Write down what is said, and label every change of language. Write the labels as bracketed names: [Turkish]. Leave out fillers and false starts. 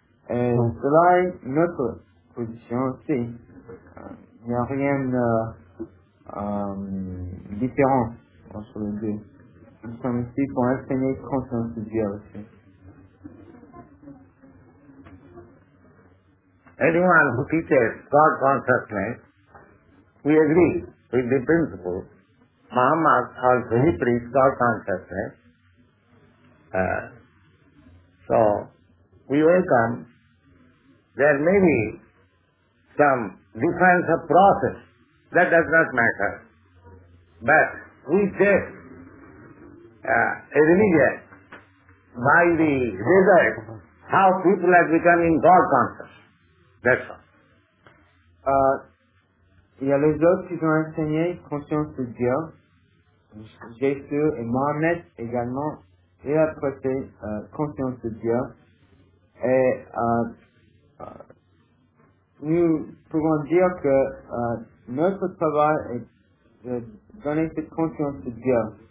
[French] Et cela est notre position aussi. Il n'y a rien de différent entre les deux. Nous sommes ici pour enseigner conscience de Dieu aussi. [English] Anyone who teaches God consciousness, we agree with the principle. Muhammad also he preached God consciousness. So we welcome. There may be some difference of process, that does not matter. But we test a religion by the result how people are becoming God conscious. That's all. [French] Il y a les autres qui ont enseigné conscience de Dieu, Jésus et Mohamed également, et après c'est conscience de Dieu. Et nous pouvons dire que notre travail est de donner cette conscience de Dieu.